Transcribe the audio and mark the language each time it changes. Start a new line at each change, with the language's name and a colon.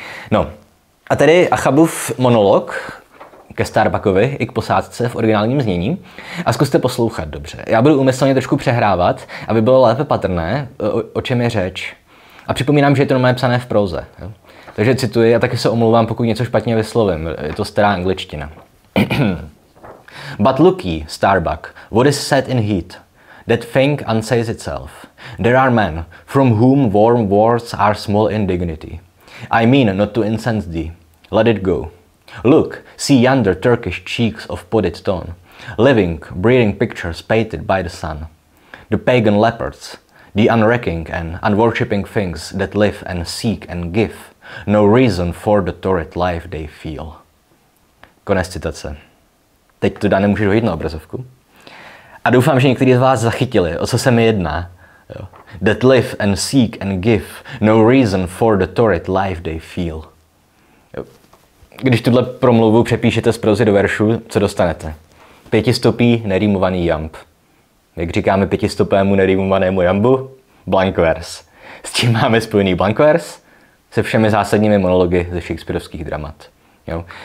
Czech: No, a tady Achabův monolog ke Starbuckovi i k posádce v originálním znění. A zkuste poslouchat dobře. Já budu úmyslně trošku přehrávat, aby bylo lépe patrné, o čem je řeč. A připomínám, že je to normálně psané v proze. Jo? Takže cituji a taky se omlouvám, pokud něco špatně vyslovím. Je to stará angličtina.
English: But look ye, Starbuck, what is said in heat? That thing unsays itself. There are men from whom warm words are small indignity. I mean not to incense thee. Let it go. Look, see yonder Turkish cheeks of potted tone, living, breathing pictures painted by the sun. The pagan leopards, the unrecking and unworshipping things that live and seek and give no reason for the torrid life they feel.
Czech: Konec citace. Teď to dáne můžeš hodit na obrazovku. A doufám, že někteří z vás zachytili, o co se mi jedná. Jo.
English: That live and seek and give no reason for the torrid life they feel.
Czech: Když tuhle promluvu přepíšete z prozy do veršu, co dostanete? Pětistopý nerýmovaný jamb. Jak říkáme pětistopému nerýmovanému jambu? Blank verse. S čím máme spojený blank verse? Se všemi zásadními monology ze shakespearovských dramat. Jo?